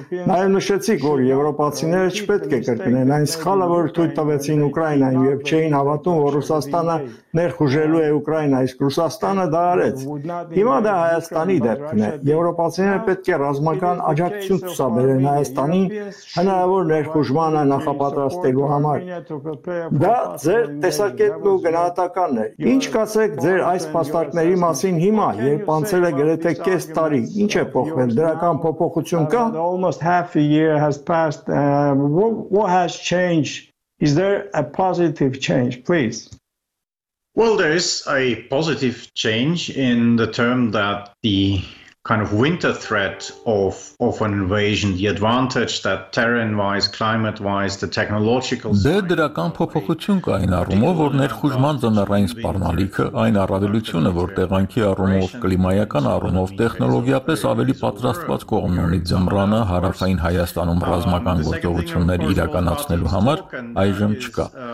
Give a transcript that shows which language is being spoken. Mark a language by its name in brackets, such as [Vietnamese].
[Armenian] Նաև նշեցիք, որ եվրոպացիները չպետք է կրկնեն այն սխալը, որ թույլ տվեցին Ուկրաինային, երբ չէին հավատում, որ Ռուսաստանը ներխուժելու է Ուկրաինա, իսկ Ռուսաստանը դա արեց։ Հիմա դա Հայաստանի դեպքն է։ Եվրոպացիները պետք է ռազմական աջակցություն ցուցաբերեն Հայաստանի հնարավոր ներխուժմանը նախապատրաստելու համար։ Դա ձեր տեսակետն ու գնահատականն է։ Ինչ կասեք ձեր այս փաստարկների մասին հիմա, երբ անցել է գրեթե կես տարի։ Ինչ է փոխվել, դրական փոփոխություն կա։ [English] Almost half a year has passed. What has changed? Is there a positive change, please? Well, there is a positive change in the term that the kind of winter threat of an invasion, the advantage that terrain-wise, climate-wise, the technological side. [Armenian] Դե դրական փոփոխություն կա այն առումով, որ ներխուժման ձմեռային սպառնալիքը, այն առավելությունը, որ տեղանքի առումով, կլիմայական առումով, տեխնոլոգիապես ավելի պատրաստված կողմն ունի ձմռանը հարավային Հայաստանում ռազմական գործողություններ իրականացնելու համար, այժմ չկա։